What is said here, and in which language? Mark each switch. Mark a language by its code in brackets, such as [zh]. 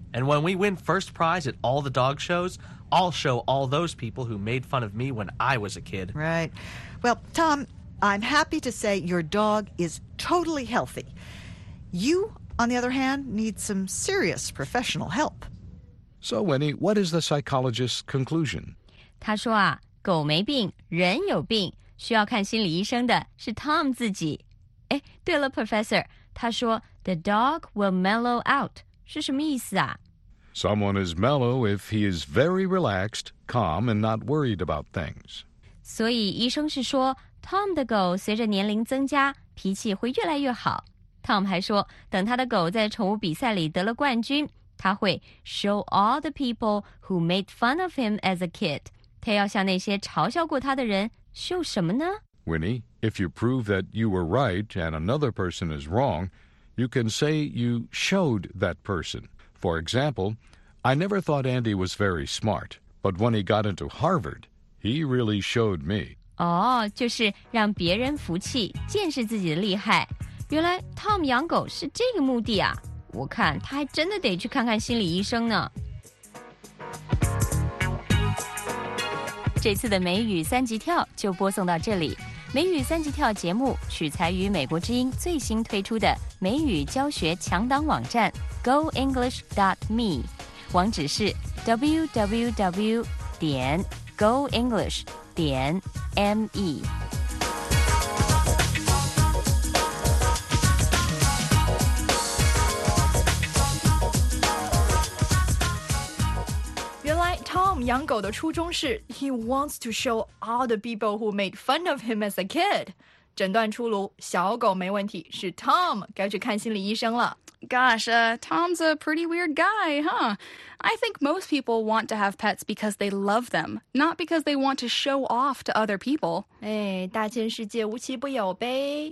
[en] And when we win first prize at all the dog shows, I'll show all those people who made fun of me when I was a kid. Right. Well, Tom, I'm happy to say your dog is totally healthy. You, on the other hand, need some serious professional help. So, Winnie, what is the psychologist's conclusion? [zh] 他说啊狗没病，人有病，需要看心理医生的是 Tom 自己。哎，对了 ，Professor， 他说 [en] "the dog will mellow out" [zh] 是什么意思啊 [en] Someone is mellow if he is very relaxed, calm, and not worried about things. [zh] 所以医生是说 ,Tom 的狗随着年龄增加脾气会越来越好。 Tom 还说等他的狗在宠物比赛里得了冠军他会 [en] show all the people who made fun of him as a kid. [zh] 他要向那些嘲笑过他的人 show 什么呢 [en] ?Winnie, if you prove that you were right and another person is wrong, you can say you showed that person. For example, I never thought Andy was very smart, but when he got into Harvard, he really showed me. [zh] 哦、就是让别人服气见识自己的厉害。原来 Tom 养狗是这个目的啊。我看他还真的得去看看心理医生呢。这次的美语三级跳就播送到这里。美语三级跳节目取材于美国之音最新推出的美语教学强档网站 goenglish.me， 网址是 www.goenglish.me。 [en] Tom [zh] 养狗的初衷是 [en] He wants to show all the people who made fun of him as a kid. [zh] 诊断出炉，小狗没问题，是 Tom 该去看心理医生了。 [en] Gosh, Tom's a pretty weird guy, huh? I think most people want to have pets because they love them, not because they want to show off to other people. [zh] 哎，大千世界无奇不有呗。